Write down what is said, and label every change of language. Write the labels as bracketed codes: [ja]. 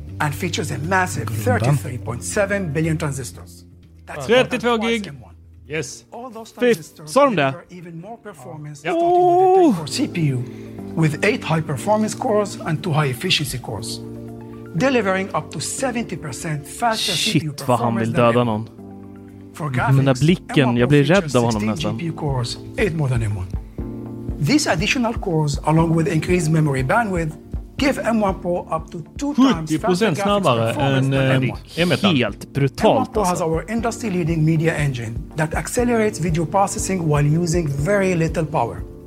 [en] And features a massive 33.7 billion transistors. That's 32 gig. Yes. All those transistors deliver even more performance starting with the Tegra 4 CPU with 8 high performance cores and 2 high efficiency cores, delivering up to 70% faster shit, CPU performance. [sv] Han vill döda någon. [en] For graphics, [sv] den där blicken, jag blir rädd av honom nästan. [en] GPU cores, 8 more than M1. These additional cores along with increased memory bandwidth give M1 Pro up to 2 times [sv] snabbare än M1. Helt brutalt. [en] M1 Pro has our industry leading media engine that accelerates video processing while using very little power.